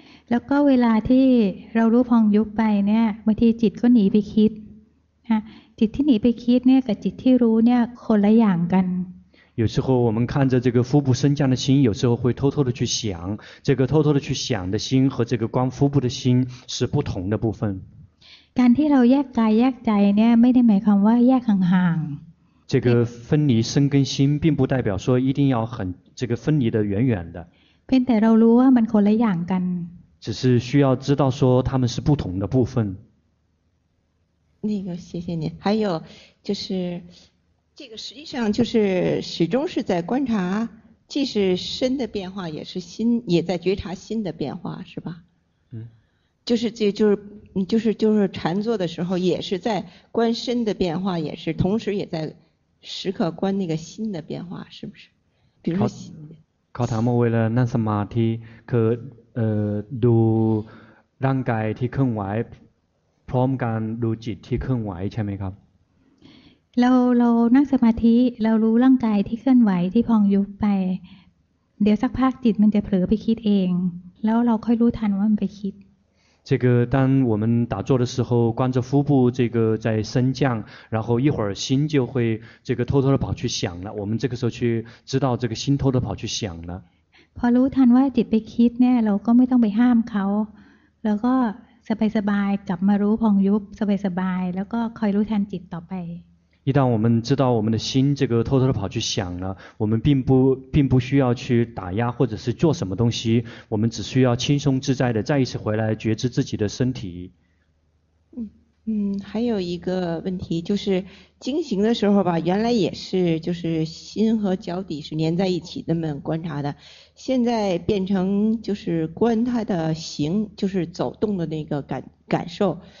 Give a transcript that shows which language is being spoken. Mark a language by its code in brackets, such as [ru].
[th] แล้วก็เวลาที่เรารู้พองยุบไปเนี่ยบางทีจิตก็หนีไปคิดนะจิตที่หนีไปคิดเนี่ยกับจิตที่รู้เนี่ยคนละอย่างกัน [zh] 有时候我们看着这个腹部升降的心，有时候会偷偷的去想，这个偷偷的去想的心和这个观腹部的心是不同的部分。 [th] การที่เราแยกกายแยกใจเนี่ยไม่ได้หมายความว่าแยกห่าง [zh] ๆ这个分离身跟心并不代表说一定要很这个分离的远远的。 [th] เพียงแต่เรารู้ว่ามันคนละอย่างกัน [zh] 只是需要知道说他们是不同的部分。那个谢谢你，还有就是。这个实际上就是始终是在观察，既是身的变化，也是心也在觉察心的变化，是吧？嗯，就是这就是禅坐的时候，也是在观身的变化，也是同时也在时刻观那个心的变化，是不是？比如说考堂为了让什么提可读让改提坑外， [th] พร้อมกันดูจิตที่เคลื่อนไหวใช่ไหมครับ เรานั่งสมาธิเรารู้ร่างกายที่เคลื่อนไหวที่พองยุบไปเดี๋ยวสักพักจิตมันจะเผลอไปคิดเองแล้วเราค่อยรู้ทันว่ามันไปคิด [zh] 这个当我们打坐的时候观着腹部这个在升降然后一会儿心就会这个偷偷的跑去想了我们这个时候去知道这个心偷偷跑去想了 [th] พอรู้ทันว่าจิตไปคิดเนี่ยเราก็ไม่ต้องไปห้ามเขาแล้วก็สบายๆกลับมารู้พองยุบสบายๆแล้วก็คอยรู้ทันจิตต่อไป [zh] 一旦我们知道我们的心这个偷偷的跑去想了我们并不需要去打压或者是做什么东西我们只需要轻松自在的再一次回来觉知自己的身体还有一个问题就是经行的时候吧原来也是就是心和脚底是粘在一起那么观察的现在变成就是观它的行就是走动的那个感受